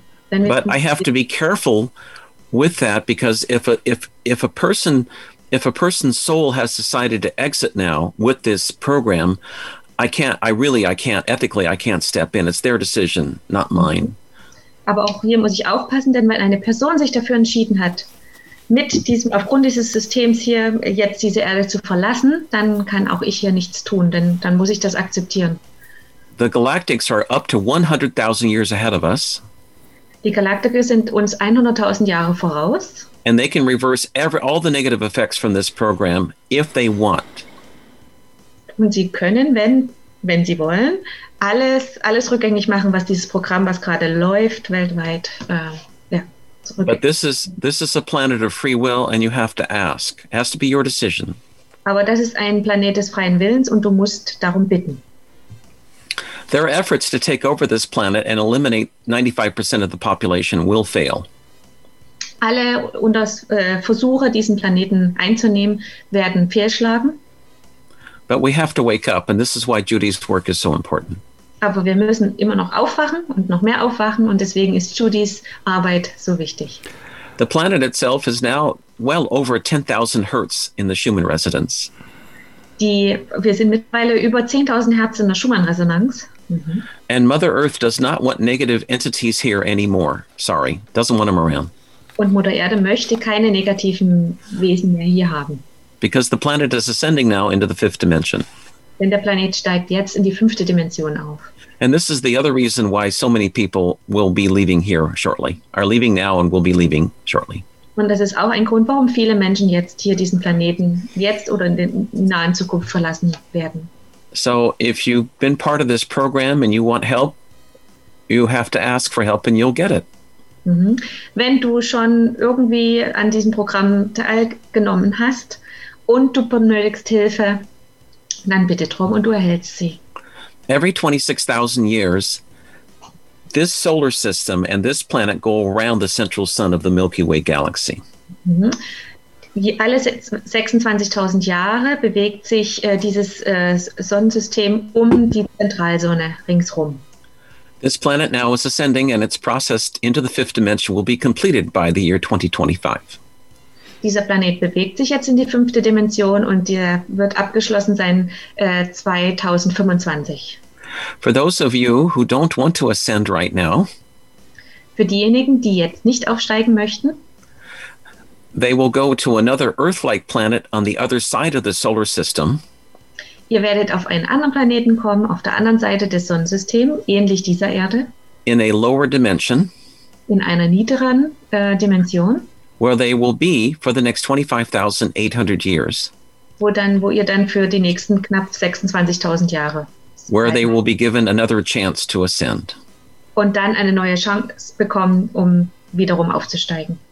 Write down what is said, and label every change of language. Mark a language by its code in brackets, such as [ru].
[en] But I have to be careful with that because if a person's soul has decided to exit now with this program, I can't step in. It's their decision, not mine. [de] Aber auch hier muss ich aufpassen, denn wenn eine Person sich dafür entschieden hat, aufgrund dieses Systems hier jetzt diese Erde zu verlassen, dann kann auch ich hier nichts tun, denn dann muss ich das akzeptieren. [en] The Galactics are up to 100,000 years ahead of us. [de] Die Galaktiker sind uns 100.000 Jahre voraus. [en] And they can reverse all the negative effects from this program if they want. [de] Und sie können, wenn sie wollen, alles rückgängig machen, was dieses Programm, was gerade läuft weltweit. [en] But this is a planet of free will, and you have to ask. It has to be your decision. [de] Aber das ist ein Planet des freien Willens, und du musst darum bitten. [en] Their efforts to take over this planet and eliminate 95% of the population will fail. [de] Alle Versuche, diesen Planeten einzunehmen, werden fehlschlagen. [en] But we have to wake up, and this is why Judy's work is so important. [de] Aber wir müssen immer noch aufwachen und noch mehr aufwachen, und deswegen ist Judys Arbeit so wichtig. [en] The planet itself is now well over 10,000 Hertz in the Schumann Resonance. [de] Wir sind mittlerweile über 10,000 Hertz in der Schumann-Resonanz. [en] And Mother Earth does not want negative entities here anymore. Sorry, doesn't want them around. [de] Und Mutter Erde möchte keine negativen Wesen mehr hier haben. [en] Because the planet is ascending now into the fifth dimension. [de] Denn der Planet steigt jetzt in die fünfte Dimension auf. [en] And this is the other reason why so many people will be leaving here shortly. Are leaving now and will be leaving shortly. [de] Und das ist auch ein Grund, warum viele Menschen jetzt hier diesen Planeten jetzt oder in der nahen Zukunft verlassen werden. [en] So if you've been part of this program and you want help, you have to ask for help and you'll get it. [de] Wenn du schon irgendwie an diesem Programm teilgenommen hast und du benötigst Hilfe, dann bitte drum und du erhältst sie. [en] Every 26,000 years, this solar system and this planet go around the central sun of the Milky Way galaxy. [de] Alle 26,000 Jahre bewegt sich dieses Sonnensystem die Zentralsonne ringsherum. [en] This planet now is ascending and its process into the fifth dimension will be completed by the year 2025. [de] Dieser Planet bewegt sich jetzt in die fünfte Dimension und der wird abgeschlossen sein 2025. [en] For those of you who don't want to ascend right now, [de] für diejenigen, die jetzt nicht aufsteigen möchten, [en] they will go to another Earth-like planet on the other side of the solar system. [de] Ihr werdet auf einen anderen Planeten kommen, auf der anderen Seite des Sonnensystems, ähnlich dieser Erde. [en] In a lower dimension. [de] In einer niederen Dimension. [en] Where they will be for the next 25,800 years. [de] Wo ihr dann für die nächsten knapp 26,000 Jahre. [en] Where they will be given another chance to ascend. [de] Und dann eine neue Chance bekommen, wiederum aufzusteigen.